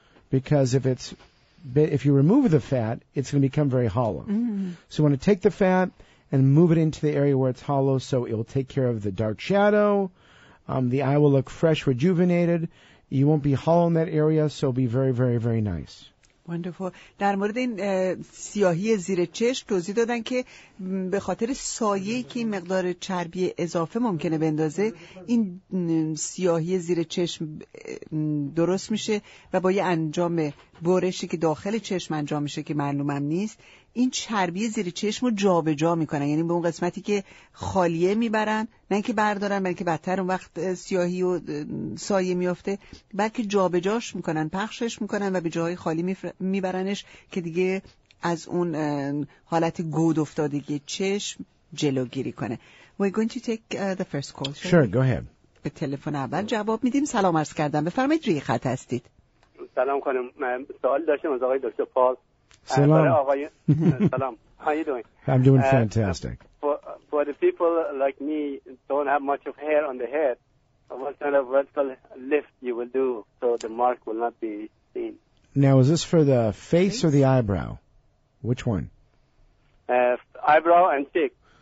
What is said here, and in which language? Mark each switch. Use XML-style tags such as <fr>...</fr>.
<en>Because if it's if you remove the fat, it's going to become very hollow. Mm-hmm. So you want to take the fat and move it into the area where it's hollow so it will take care of the dark shadow. The eye will look fresh, rejuvenated. You won't be hollow in that area, so it'll be very, very, very nice. Wonderful.</en> <fa>در مورد این سیاهی زیر چشم توضیح دادن که به خاطر سایه‌ای که مقدار چربی اضافه ممکنه بندازه این سیاهی زیر چشم درست میشه و با یه انجام برشی که داخل چشم انجام میشه که معلومم نیست این چربی زیر چشم رو جابجا میکنن یعنی به اون قسمتی که خالیه میبرن نه اینکه بردارن بلکه بدتر اون وقت سیاهی و سایه میفته بلکه جابجاش میکنن پخشش میکنن و به جاهای خالی میبرنش که دیگه از اون حالت گود افتادگی چشم جلوگیری کنه.</fa> <en>We're going to take the first call. Sure, go ahead.</en> <fa>به تلفن اول جواب میدیم. سلام عرض کردم. بفرمایید روی خط هستید. سلام خانم. من سوال داشتم از آقای دکتر پال. Salam.</fa> <en>Salam. How are you doing? I'm doing fantastic. For the people like me, don't have much of hair on the head, what kind of vertical lift you will do so the mark will not be seen? Now, is this for the face or the eyebrow? Which one? Eyebrow and cheek.</en>